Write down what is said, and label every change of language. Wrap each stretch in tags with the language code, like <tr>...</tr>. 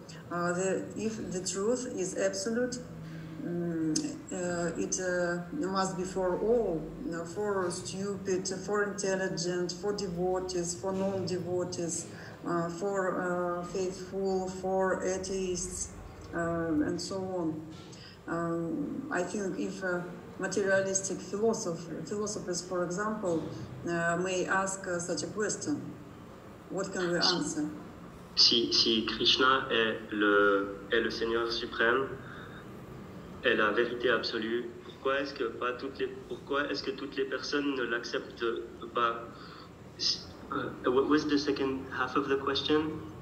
<en>If the truth is absolute, it must be for all, for stupid, for intelligent, for devotees, for non-devotees, for faithful, for atheists, and so on. I think if a materialistic philosophers, for example, may ask such a question, what can we answer?</en> <fr>Si Krishna est le Seigneur suprême, est la vérité absolue, pourquoi est-ce que toutes les personnes ne l'acceptent pas?</fr> <en>What was the second half of the question?</en>